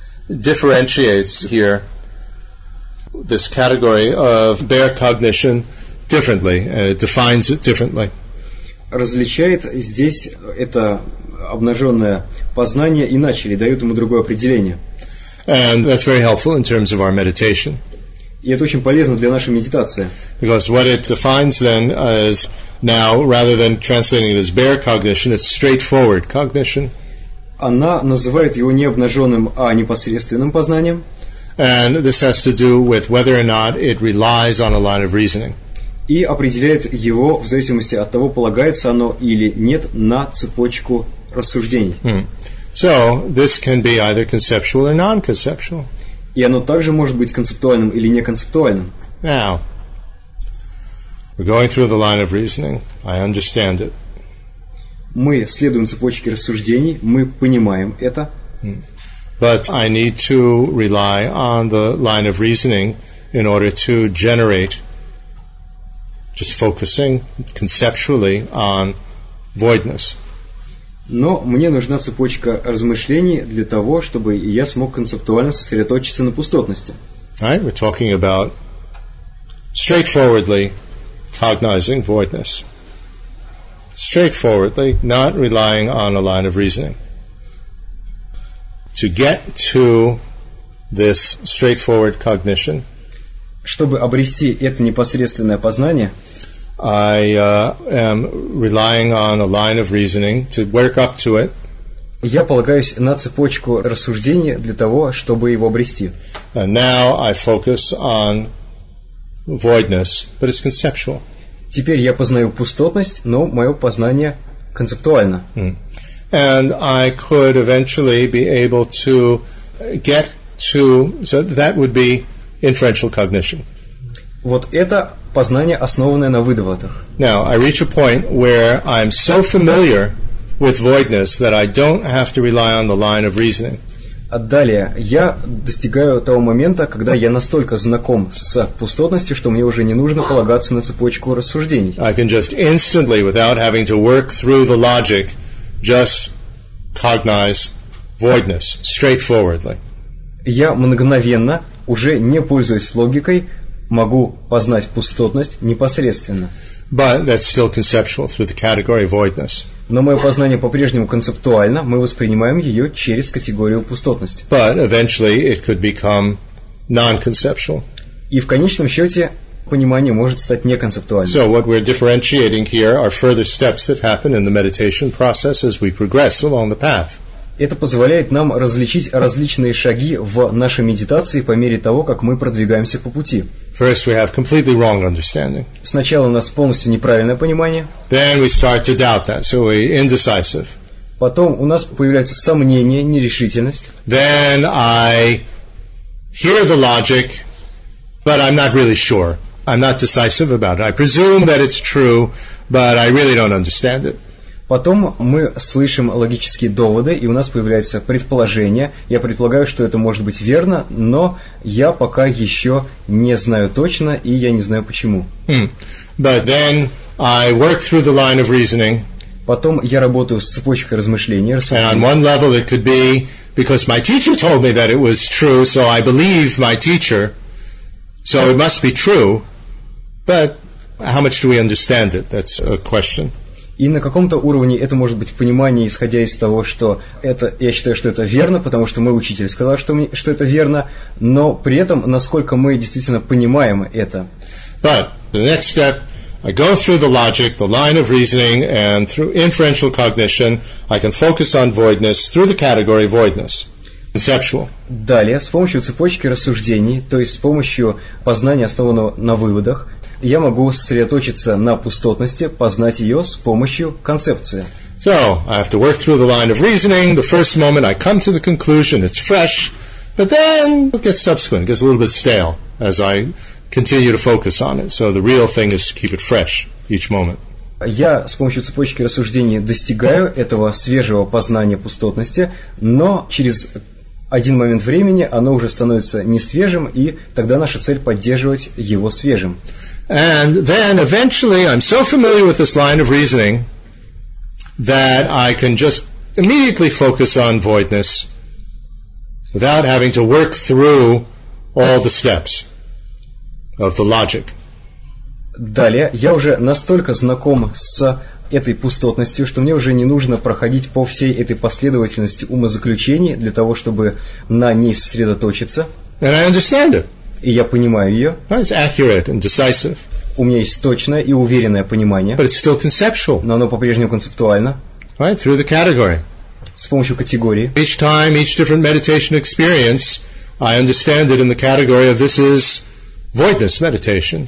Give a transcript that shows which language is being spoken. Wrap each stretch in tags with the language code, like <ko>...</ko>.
<en>differentiates here this category of bare cognition differently, and it defines it differently.</en> <ru>Различает здесь это обнаженное познание иначе, или дает ему другое определение.</ru> <en>And that's very helpful in terms of our meditation.</en> <ru>И это очень полезно для нашей медитации.</ru> <en>Because what it defines then is now, rather than translating it as bare cognition, it's straightforward cognition.</en> <ru>Она называет его не обнаженным, а непосредственным познанием.</ru> <en>And this has to do with whether or not it relies on a line of reasoning.</en> <ru>И определяет его в зависимости от того, полагается оно или нет на цепочку рассуждений.</ru> <en>Hmm. So, this can be either conceptual or non-conceptual.</en> <ru>И оно также может быть концептуальным или неконцептуальным.</ru> <en>Now, we're going through the line of reasoning. I understand it.</en> <ru>Мы следуем цепочке рассуждений, мы понимаем это.</ru> <en>But I need to rely on the line of reasoning in order to generate, just focusing conceptually on voidness.</en> <ru>Но мне нужна цепочка размышлений для того, чтобы я смог концептуально сосредоточиться на пустотности.</ru> <en>Right, we're talking about straightforwardly cognizing voidness. Straightforwardly, not relying on a line of reasoning. To get to this straightforward cognition,</en> <ru>чтобы обрести это непосредственное познание,</ru> <en>I am relying on a line of reasoning to work up to it.</en> <ru>Я полагаюсь на цепочку рассуждений для того, чтобы его обрести.</ru> <en>And now I focus on voidness, but it's conceptual.</en> <ru>Теперь я познаю пустотность, но мое познание концептуально.</ru> <en>And I could eventually be able to get to, so that would be inferential cognition.</en> <ru>Вот это познание, основанное на выдаватах.</ru> <en>Now I reach a point where I'm so familiar with voidness that I don't have to rely on the line of reasoning.</en> <ru>А далее я достигаю того момента, когда я настолько знаком с пустотностью, что мне уже не нужно полагаться на цепочку рассуждений.</ru> <en>I can just instantly, without having to work through the logic, just cognize voidness straightforwardly.</en> <ru>Я мгновенно, уже не пользуясь логикой, могу познать пустотность непосредственно.</ru> <en>But that's still conceptual through the category voidness.</en> <ru>Но мое познание по-прежнему концептуально, мы воспринимаем ее через категорию пустотность.</ru> <en>But eventually it could become non-conceptual.</en> <ru>И в конечном счете понимание может стать неконцептуальным.</ru> <en>So what we're differentiating here are further steps that happen in the meditation process as we progress along the path.</en> <ru>Это позволяет нам различить различные шаги в нашей медитации по мере того, как мы продвигаемся по пути.</ru> <en>First we have completely wrong understanding.</en> <ru>Сначала у нас полностью неправильное понимание.</ru> <en>Then we start to doubt that, so we're indecisive.</en> <ru>Потом у нас появляются сомнения, нерешительность.</ru> <en>Then I hear the logic, but I'm not really sure. I'm not decisive about it. I presume that it's true, but I really don't understand it.</en> <ru>Потом мы слышим логические доводы, и у нас появляется предположение. Я предполагаю, что это может быть верно, но я пока еще не знаю точно, и я не знаю почему.</ru> <en>But then I work through the line of reasoning.</en> <ru>Потом я работаю с цепочкой размышлений.</ru> <en>And on one level it could be because my teacher told me that it was true, so I believe my teacher, so it must be true. But how much do we understand it? That's a question.</en> <ru>И на каком-то уровне это может быть понимание, исходя из того, что это, я считаю, что это верно, потому что мой учитель сказал, что, мне, что это верно, но при этом, насколько мы действительно понимаем это.</ru> <en>But the next step, I go through the logic, the line of reasoning, and through inferential cognition, I can focus on voidness through the category voidness. Conceptual.</en> <ru>Далее, с помощью цепочки рассуждений, то есть с помощью познания, основанного на выводах, я могу сосредоточиться на пустотности, познать ее с помощью концепции.</ru> <en>So, I have to work through the line of reasoning. The first moment I come to the conclusion, it's fresh. But then, it gets subsequent, it gets a little bit stale as I continue to focus on it. So, the real thing is to keep it fresh each moment.</en> <ru>Я с помощью цепочки рассуждений достигаю этого свежего познания пустотности, но через один момент времени оно уже становится несвежим, и тогда наша цель поддерживать его свежим.</ru> <en>And then eventually I'm so familiar with this line of reasoning that I can just immediately focus on voidness without having to work through all the steps of the logic.</en> <ru>Далее, я уже настолько знаком с этой пустотностью, что мне уже не нужно проходить по всей этой последовательности умозаключений для того, чтобы на ней сосредоточиться.</ru> <en>And I understand it.</en> <ru>И я понимаю ее.</ru> <en>It's accurate and decisive.</en> <ru>У меня есть точное и уверенное понимание.</ru> <en>But it's still conceptual.</en> <ru>Но оно по-прежнему концептуально.</ru> <en>Right, through the category.</en> <ru>С помощью категории.</ru> <en>Each time, each different meditation experience, I understand it in the category of this is voidness meditation.</en>